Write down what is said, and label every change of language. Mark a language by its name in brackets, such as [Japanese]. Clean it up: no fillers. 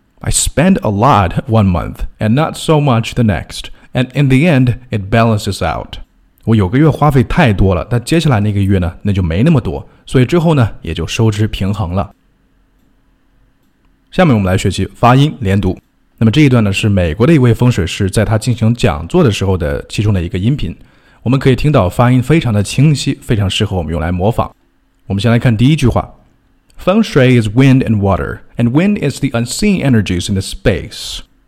[English] I spend a lot one month and not so much the next. And in the end, it balances out. [Chinese] 我有个月花费太多了，但接下来那个月呢，那就没那么多。所以之后呢，也就收支平衡了。下面我们来学习发音连读。那么这一段呢，是美国的一位风水师在他进行讲座的时候的其中的一个音频。我们可以听到发音非常的清晰，非常适合我们用来模仿。我们先来看第一句话。 [English] Feng Shui is wind and water, and wind is the unseen energies in the space.